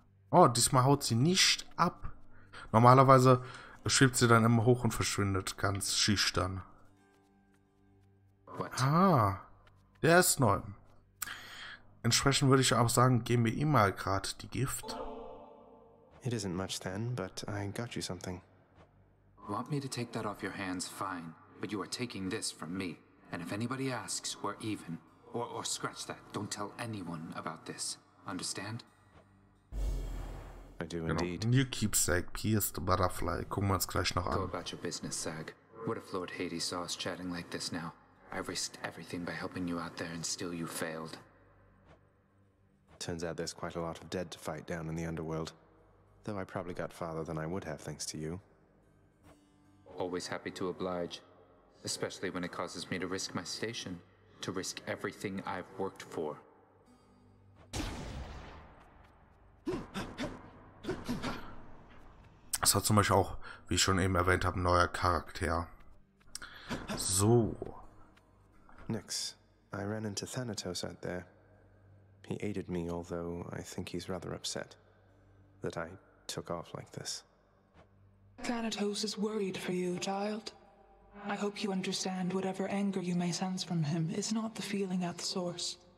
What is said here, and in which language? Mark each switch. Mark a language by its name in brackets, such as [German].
[German] Oh, diesmal haut sie nicht ab. Normalerweise schwebt sie dann immer hoch und verschwindet ganz schüchtern. [English] What? [German] Ah, der ist neu. Entsprechend würde ich auch sagen, geben wir ihm mal gerade die Gift. [English] It isn't much then, but I got you something. Want me to take that off your hands? Fine. But you are taking this from me. And if anybody asks, we're even. Or scratch that. Don't tell anyone about this. Understand? I do indeed. [German] Genau. [English] New keepsake, pierced butterfly. [German] Gucken wir uns gleich noch an. [English] Go about your business, Sag. What if Lord Hades saw us chatting like this now? I risked everything by helping you out there, and still you failed. Turns out there's quite a lot of dead to fight down in the underworld. though I probably got farther than I would have thanks to you. Always happy to oblige, especially when it causes me to risk my station, to risk everything I've worked for. [German] Das hat zum Beispiel auch, wie ich schon eben erwähnt habe, ein neuer Charakter. So. Nix. [English] I ran into Thanatos out there. He aided me, although I think he's rather upset that I took off like this. Thanatos is worried for you, child. I hope you understand whatever anger you may sense from him is not the feeling at the source.